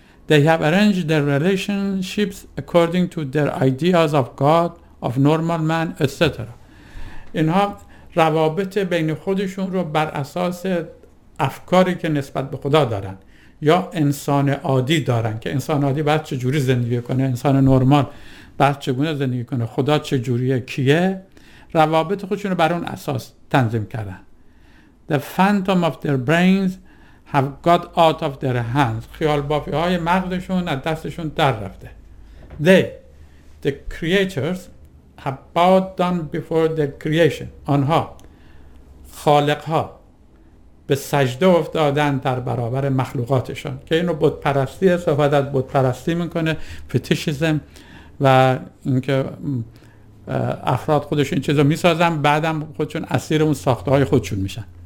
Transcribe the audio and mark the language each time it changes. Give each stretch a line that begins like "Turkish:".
English: They have arranged their relationships according to their ideas of God، of normal man، etc.
Persian: اینها روابط بین خودشون رو بر اساس افکاری که نسبت به خدا دارن یا انسان عادی دارن، که انسان عادی باید چه جوری زندگی کنه، انسان نرمال باید چگونه زندگی کنه، خدا چه جوریه، کیه، روابط خودشون رو بر اون اساس تنظیم کردن.
English: The phantom of their brains have got out of their hands.
Persian: خیال بافی های مغزشون از دستشون در رفته.
English: The creators have bowed down before their creation.
Persian: آنها خالق ها به سجده افتادن در برابر مخلوقاتشون. که اینو بت پرستی صحبت از بت پرستی میکنه، فتیشیزم و اینکه افراد خودشون این چیزا میسازن، بعدم خودشون اسیر اون ساخته های خودشون میشن.